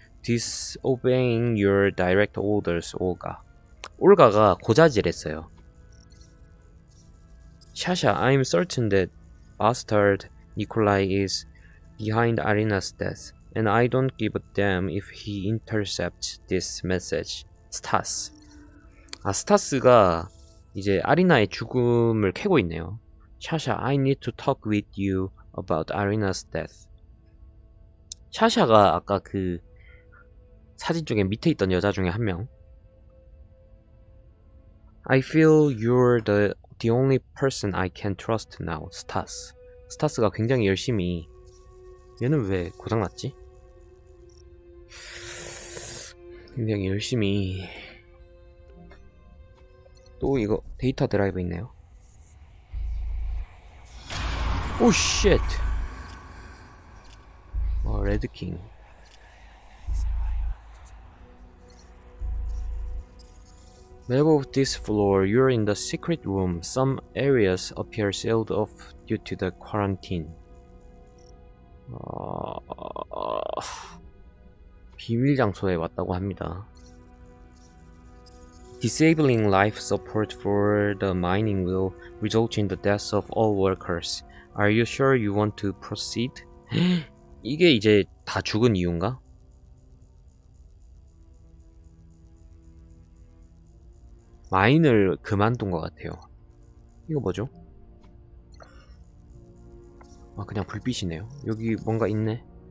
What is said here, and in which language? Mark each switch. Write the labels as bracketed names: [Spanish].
[English] Disobeying your direct orders, Olga. [Korean] 올가가 고자질했어요. [English] 샤샤, I'm certain that bastard Nikolai is behind Arina's death, and I don't give a damn if he intercepts this message. Stas. [Korean] 아, Stas가 이제 아리나의 죽음을 캐고 있네요. [English] 샤샤, I need to talk with you about Arina's death. [Korean] 샤샤가 아까 그 사진 쪽에 밑에 있던 여자 중에 한 명. [English] I feel you're the only person I can trust now, Stas. [Korean] 스타스가 굉장히 열심히. 얘는 왜 고장났지? 굉장히 열심히. 또 이거 데이터 드라이브 있네요. 오 쉣. 어, 레드킹. [English] 맵 of this floor, you're in the secret room. Some areas appear sealed off due to the quarantine. [Korean] 비밀 장소에 왔다고 합니다. [English] Disabling life support for the mining will result in the deaths of all workers. Are you sure you want to proceed? [Korean] 이게 이제 다 죽은 이유인가? 마인을 그만둔 것 같아요. 이거 뭐죠? 아, 그냥 불빛이네요. 여기 뭔가 있네.